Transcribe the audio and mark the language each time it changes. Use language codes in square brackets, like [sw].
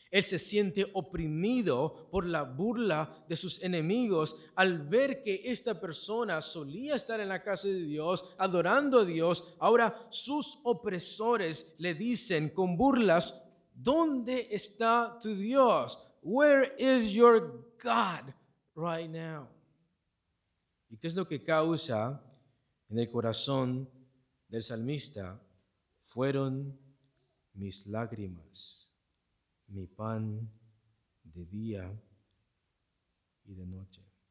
[es] Él se siente oprimido por la burla de sus enemigos al ver que esta persona solía estar en la casa de Dios, adorando a Dios. Ahora sus opresores le dicen con burlas, ¿dónde está tu Dios? [en] Where is your God right now? [es] ¿Y qué es lo que causa en el corazón del salmista? Fueron mis lágrimas, mi pan de día y de noche.